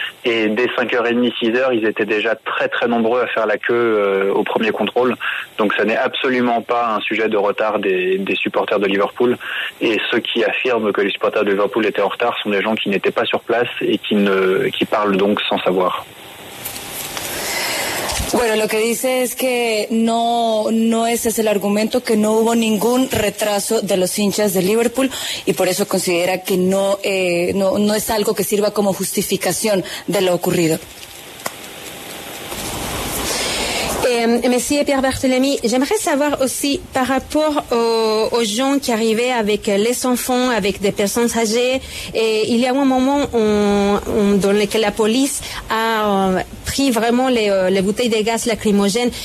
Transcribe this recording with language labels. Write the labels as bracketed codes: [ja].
[fr] Et dès 5h30, 6h, ils étaient déjà très très nombreux à faire la queue au premier contrôle. Donc ça n'est absolument pas un sujet de retard des supporters de Liverpool. Et ceux qui affirment que les supporters de Liverpool étaient en retard sont des gens qui n'étaient pas sur place et qui parlent donc sans savoir. [es] Bueno, lo que dice es que no ese es el argumento, que no hubo ningún retraso de los hinchas de Liverpool, y por eso considera que no es algo que sirva como justificación de lo ocurrido. [fr] Monsieur Pierre Barthélémy, j'aimerais savoir aussi par rapport aux gens qui arrivaient avec les enfants, avec des personnes âgées, et il y a un moment dans lequel la police a pris vraiment les bouteilles de gaz lacrymogène.